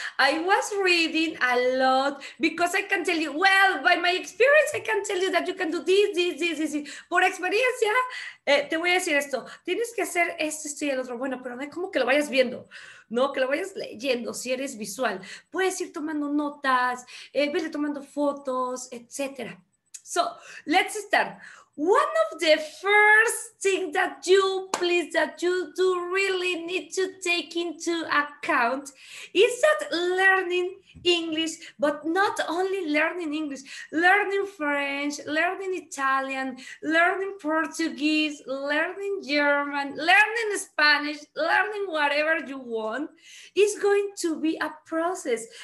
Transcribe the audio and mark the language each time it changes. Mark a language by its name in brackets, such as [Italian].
[English] I was reading a lot because I can tell you, well, by my experience, I can tell you that you can do this. [Spanish] Por experiencia, te voy a decir esto. Tienes que hacer esto y el otro. Bueno, pero no es como que lo vayas viendo, ¿no? Que lo vayas leyendo si eres visual. Puedes ir tomando notas, verle tomando fotos, etc. [English] So, let's start. One of the first things that you do really need to take into account is that learning English, but not only learning English, learning French, learning Italian, learning Portuguese, learning German, learning Spanish, learning whatever you want, is going to be a process.